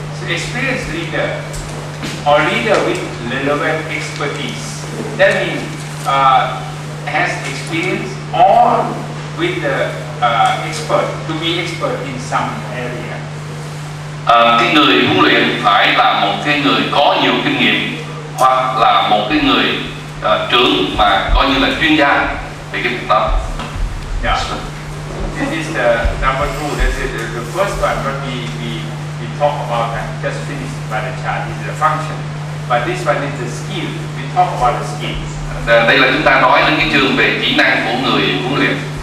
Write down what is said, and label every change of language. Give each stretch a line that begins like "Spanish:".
English: Experienced leader or leader with relevant expertise. That means has experience or with the expert, to be expert in some area.
Vietnamese: Cái người huấn luyện phải là một cái người có nhiều kinh nghiệm hoặc là một cái người trưởng mà coi như là chuyên gia về cái việc đó.
English: This is the number two. That's it. The first one, what we talk about and just finished by the chart is the function. But this one is the skill. We talk about the skills.
Vietnamese: Đây là chúng ta nói đến cái chương về kỹ năng của người huấn luyện.